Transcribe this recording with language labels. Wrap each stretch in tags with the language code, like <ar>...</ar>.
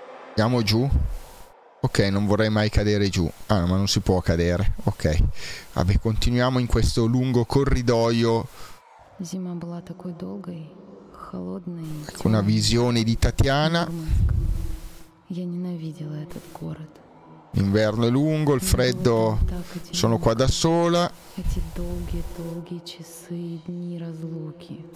<it>Andiamo giù. Ok, non vorrei mai cadere giù. Ah, no, ma non si può cadere. Ok. Vabbè, continuiamo in questo lungo corridoio.</it> <ru>Zima была такой долгой, холодной.</ru> <it>Con una visione di Tatiana.</it> <ru>Я ненавидела этот город.</ru> <it>L'inverno è lungo, il freddo. Sono qua da sola.</it> <ru>Эти долгие, долгие часы и дни разлуки.</ru>